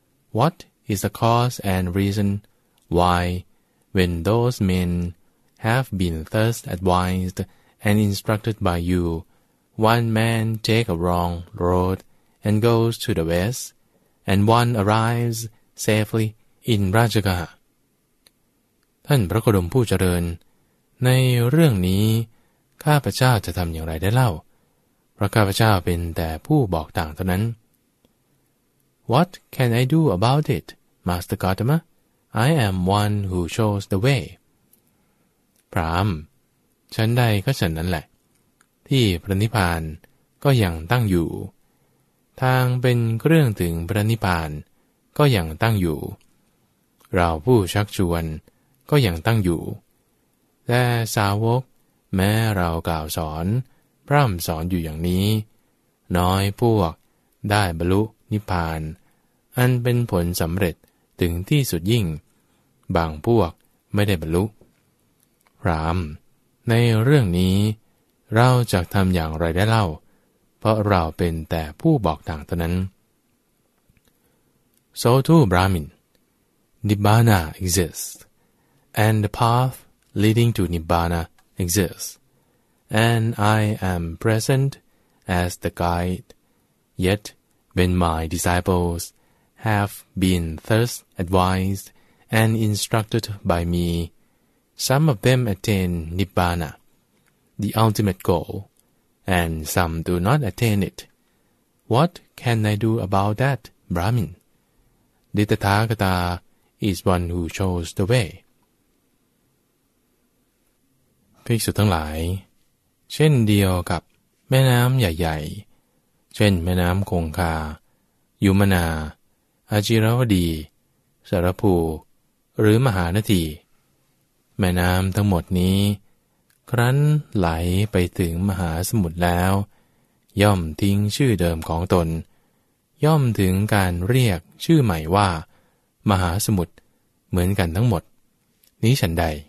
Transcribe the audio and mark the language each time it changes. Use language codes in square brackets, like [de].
[en] what is the cause and reason why, when those men have been thus advised and instructed by you, one man take a wrong road and goes to the west, and one arrives safely in Rajagaha? [th] ท่านพระโคดมผู้เจริญในเรื่องนี้ข้าพเจ้าจะทำอย่างไรได้เล่าเพราะข้าพเจ้าเป็นแต่ผู้บอกต่างเท่านั้น [en] What can I do about it, Master Gautama? I am one who shows the way. [th] พราหมณ์ฉันใดก็ฉันนั้นแหละที่พระนิพพานก็ยังตั้งอยู่ทางเป็นเครื่องถึงพระนิพพานก็ยังตั้งอยู่เราผู้ชักชวนก็ยังตั้งอยู่แต่สาวกแม้เรากล่าวสอนพร่ำสอนอยู่อย่างนี้น้อยพวกได้บรรลุนิพพานอันเป็นผลสำเร็จถึงที่สุดยิ่งบางพวกไม่ได้บรรลุ พร่ำในเรื่องนี้เราจะทำอย่างไรได้เล่าเพราะเราเป็นแต่ผู้บอกต่างเท่านั้น [en] So too, Brahmin, Nibbana exists, and the pathleading to Nibbana exists, and I am present as the guide. Yet, when my disciples have been thus advised and instructed by me, some of them attain Nibbana, the ultimate goal, and some do not attain it. What can I do about that, Brahmin? Dittathagata is one who chose the way. [th] ภิกษุทั้งหลายเช่นเดียวกับแม่น้ำใหญ่ๆเช่นแม่น้ำคงคายุมนาอจิรวดีสารภูหรือมหานทีแม่น้ำทั้งหมดนี้ครั้นไหลไปถึงมหาสมุทรแล้วย่อมทิ้งชื่อเดิมของตนย่อมถึงการเรียกชื่อใหม่ว่ามหาสมุทรเหมือนกันทั้งหมดนี้ฉันใด